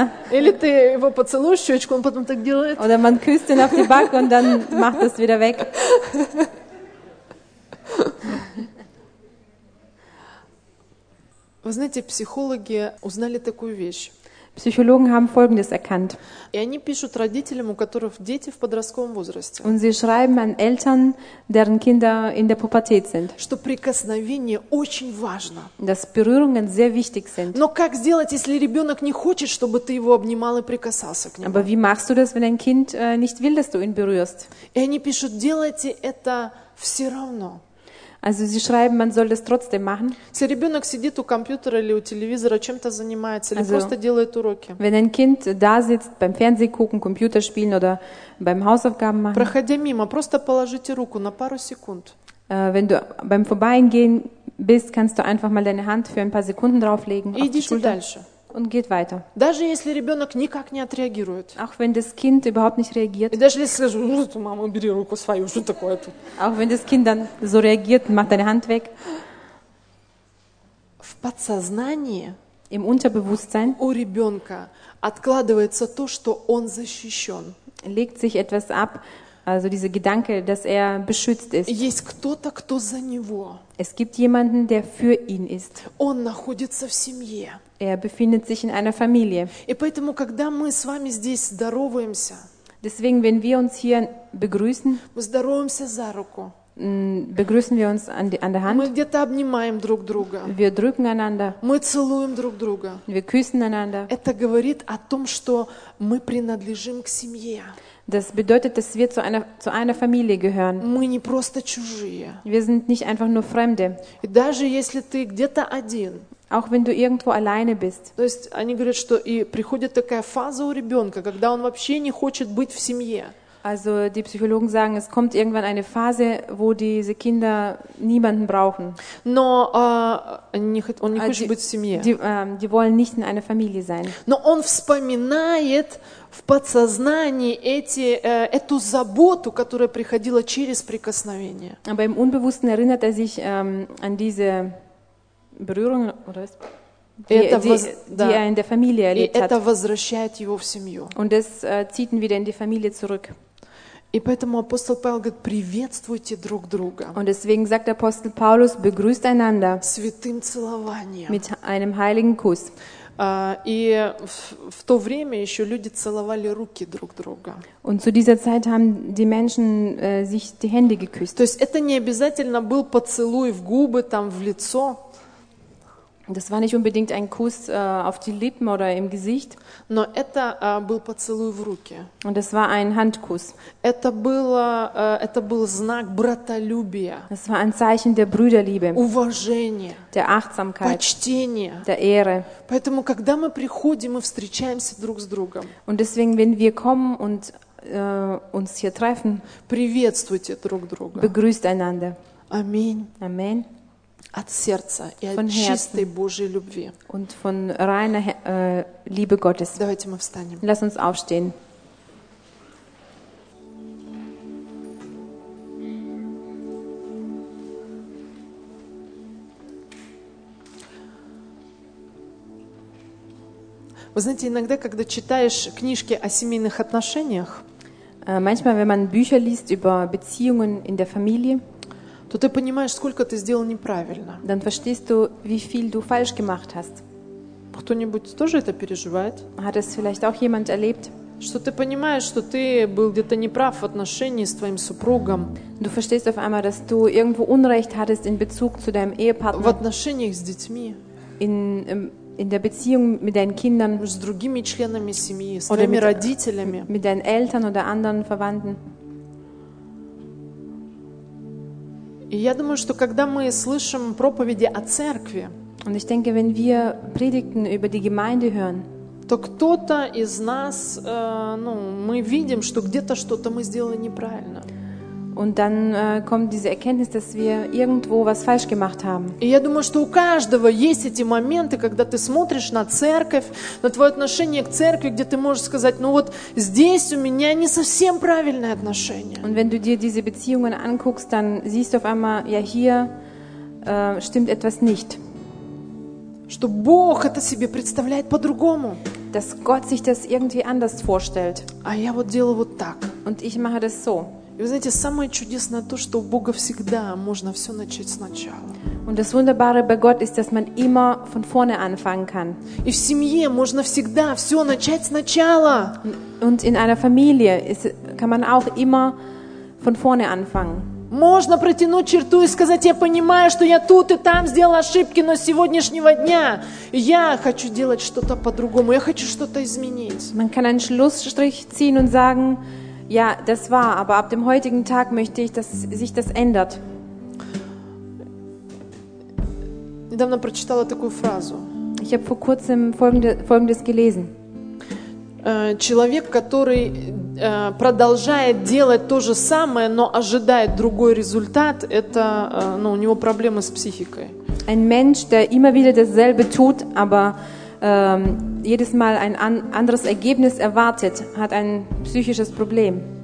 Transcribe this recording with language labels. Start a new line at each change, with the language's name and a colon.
Russian: Или ты его поцелуешь щечку, он потом так делает.
German: Oder man küsst ihn auf die Backe und dann macht es wieder weg.
Russian: Вы знаете, психологи узнали такую вещь.
German: Psychologen haben Folgendes erkannt.
Russian: И они пишут родителям, у которых дети в подростковом возрасте.
German: Und sie schreiben an Eltern, deren Kinder in der Pubertät sind.
Russian: Что прикосновение очень важно.
German: Dass Berührungen sehr wichtig sind.
Russian: Но как сделать, если ребенок не хочет, чтобы ты его обнимал и прикасался к нему?
German: Aber wie machst du das, wenn dein Kind nicht will, dass du ihn berührst?
Russian: И они пишут, делайте это все равно.
German: Also sie schreiben, man soll das trotzdem machen.
Russian: Если ребенок сидит у компьютера или у телевизора, чем-то занимается, или просто делает уроки.
German: Wenn ein Kind da sitzt, beim Fernsehen gucken, Computer spielen oder beim Hausaufgaben machen.
Russian: Проходя мимо, просто положите руку на пару секунд.
German: Wenn du beim Vorbeigehen bist, kannst du einfach mal deine Hand für ein paar Sekunden drauflegen.
Russian: И идите дальше.
German: Und geht weiter.
Russian: Даже если ребенок никак не отреагирует.
German: Auch wenn das Kind überhaupt nicht reagiert.
Russian: И даже если скажет, мама, убери руку свою, что такое тут.
German: Auch wenn das Kind dann so reagiert, macht deine Hand weg.
Russian: В подсознании,
German: im Unterbewusstsein,
Russian: у ребенка откладывается то, что он защищен.
German: Legt sich etwas ab, Also dieser Gedanke, dass er beschützt ist.
Russian: Есть кто-то, кто за него.
German: Es gibt jemanden, der für ihn ist.
Russian: Он находится в семье.
German: Er befindet sich in einer Familie.
Russian: И поэтому, когда мы с вами здесь здороваемся,
German: deswegen, wenn wir uns hier begrüßen,
Russian: мы здороваемся за руку.
German: Begrüßen wir uns an der Hand.
Russian: Мы где-то обнимаем друг друга.
German: Wir drücken einander.
Russian: Мы целуем друг друга.
German: Wir küssen einander.
Russian: Это говорит о том, что мы принадлежим к семье.
German: Das bedeutet, dass wir zu einer Familie gehören.
Russian: Мы не просто чужие.
German: Wir sind nicht einfach nur Fremde.
Russian: И даже если ты где-то один.
German: Auch wenn du irgendwo alleine bist.
Russian: То есть они говорят, что и приходит такая фаза у ребенка, когда он вообще не хочет быть в семье.
German: Also die Psychologen sagen, es kommt irgendwann eine Phase, wo diese Kinder niemanden brauchen.
Russian: Но он не хочет быть в семье.
German: Die wollen nicht in einer Familie sein.
Russian: Но он вспоминает в подсознании эту заботу, которая приходила через прикосновение.
German: Aber im Unbewussten erinnert sich an diese Berührung, oder was? Die er in der Familie erlebt hat.
Russian: Это возвращает его в семью.
German: Und es zieht ihn wieder in die Familie zurück.
Russian: И поэтому апостол Павел говорит: приветствуйте друг друга.
German: Und deswegen sagt Apostel Paulus: begrüßt einander.
Russian: Святым целованием.
German: Mit einem heiligen Kuss.
Russian: И в то время еще люди целовали руки друг друга.
German: Und zu dieser Zeit haben die Menschen sich die Hände geküsst.
Russian: То есть это не обязательно был поцелуй в губы, там в лицо.
German: Das war nicht unbedingt ein Kuss auf die Lippen oder im Gesicht.
Russian: Но это был поцелуй в руки.
German: Und das war ein Handkuss.
Russian: Это был знак братолюбия.
German: Das war ein Zeichen der Brüderliebe.
Russian: Уважение.
German: Der Achtsamkeit.
Russian: Почтение.
German: Der Ehre.
Russian: Поэтому, когда мы приходим и встречаемся друг с другом.
German: Und deswegen, wenn wir kommen und uns hier treffen.
Russian: Приветствуйте друг друга.
German: Begrüßt einander.
Russian: Аминь.
German: Amen.
Russian: От сердца и от чистой Божьей любви.
German: Und von reiner Liebe Gottes.
Russian: Давайте мы встанем.
German: Lass uns aufstehen.
Russian: Вы знаете, иногда, когда читаешь книжки о семейных отношениях,
German: manchmal, wenn man Bücher liest über Beziehungen in der Familie,
Russian: то ты понимаешь, сколько ты сделал неправильно.
German: Dann verstehst du, wie viel du falsch gemacht hast.
Russian: Кто-нибудь тоже это переживает?
German: Hat es vielleicht auch jemand erlebt?
Russian: Что ты понимаешь, что ты был где-то неправ в отношении с твоим супругом?
German: Du verstehst auf einmal, dass du irgendwo Unrecht hattest in Bezug zu deinem Ehepartner.
Russian: В отношениях с детьми.
German: In der Beziehung mit deinen Kindern.
Russian: С другими членами семьи, с твоими родителями.
German: Mit deinen Eltern oder anderen Verwandten.
Russian: И я думаю, что когда мы слышим проповеди о церкви,
German: und ich denke, wenn wir Predigten über die Gemeinde hören,
Russian: то кто-то из нас, мы видим, что где-то что-то мы сделали неправильно.
German: Und dann kommt diese Erkenntnis, dass wir irgendwo was falsch gemacht haben.
Russian: И я думаю, что у каждого есть эти моменты, когда ты смотришь на церковь, на твое отношение к церкви, где ты можешь сказать, ну вот здесь у меня не совсем правильное отношение.
German: Und wenn du dir diese Beziehungen anguckst, dann siehst du auf einmal, ja hier stimmt etwas nicht.
Russian: Что Бог это себе представляет по-другому.
German: Dass Gott sich das irgendwie anders vorstellt.
Russian: А я вот делаю вот так.
German: Und ich mache das so.
Russian: И вы знаете, самое чудесное то, что у Бога всегда можно все начать сначала.
German: Und das Wunderbare bei Gott ist, dass man immer von vorne anfangen kann.
Russian: И в семье можно всегда все начать сначала.
German: Und in einer Familie kann man auch immer von vorne anfangen.
Russian: Можно протянуть черту и сказать, я понимаю, что я тут и там сделал ошибки, но с сегодняшнего дня я хочу делать что-то по-другому, я хочу что-то изменить.
German: Man kann einen Schlussstrich ziehen und sagen, ja, das war, aber ab dem heutigen Tag möchte ich, dass sich das ändert.
Russian: Недавно прочитала такую фразу.
German: Ich habe vor kurzem folgendes gelesen.
Russian: Человек, который продолжает делать то же самое, но ожидает другой результат, это, у него проблемы с психикой.
German: Ein Mensch, der immer wieder dasselbe tut, aber jedes Mal ein anderes Ergebnis erwartet, hat ein psychisches Problem.